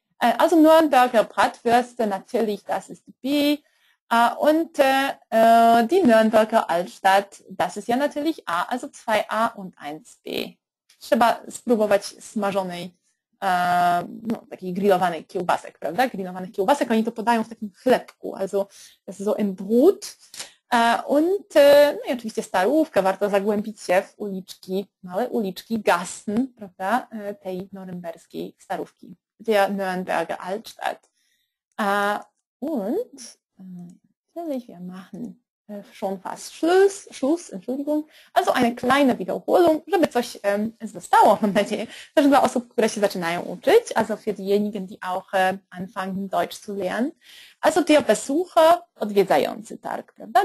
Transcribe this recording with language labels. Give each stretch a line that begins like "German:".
German: Also Nürnberger Bratwürste, natürlich, das ist B. Und die Nürnberger Altstadt, das ist ja natürlich A, also 2A und 1B.
Polish: Trzeba spróbować smażonej. No, takiej grillowanej kiełbasek, prawda? Grillowanych kiełbasek, oni to podają w takim chlebku,
German: also das ist so ein Brot.
Polish: No i oczywiście starówka, warto zagłębić się w uliczki, małe uliczki, Gassen, prawda? Tej norymberskiej starówki,
German: der Nürnberger Altstadt. Und natürlich, wir machen schon fast Schluss, Entschuldigung. Also eine kleine Wiederholung, damit es euch etwas dauert, wenn ihr darüber ausgesprochen
Polish: zaczynają uczyć,
German: also für diejenigen, die auch anfangen, Deutsch zu lernen. Also der Besucher,
Polish: odwiedzający, tak, prawda?